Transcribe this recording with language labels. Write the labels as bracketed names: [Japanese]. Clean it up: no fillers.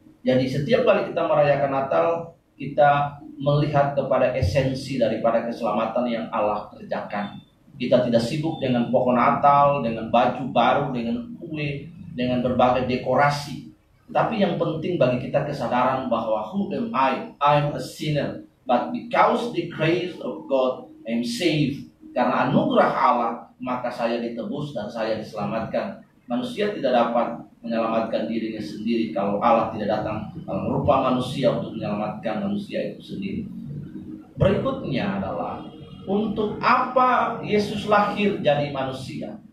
[Indonesian] Jadi setiap kali kita merayakan Natal, kita melihat kepada esensi daripada keselamatan yang Allah kerjakan. Kita tidak sibuk dengan pohon Natal, dengan baju baru, dengan kue, dengan berbagai dekorasi. Tapi yang penting bagi kita kesadaran bahwa [English] who am I? I'm a sinner, but because the grace of God, I'm saved. [Indonesian] Karena anugerah Allah, maka saya ditebus dan saya diselamatkan. Manusia tidak dapat menyelamatkan dirinya sendiri kalau Allah tidak datang dalam rupa manusia untuk menyelamatkan manusia itu sendiri. Berikutnya adalah, untuk apa Yesus lahir jadi manusia?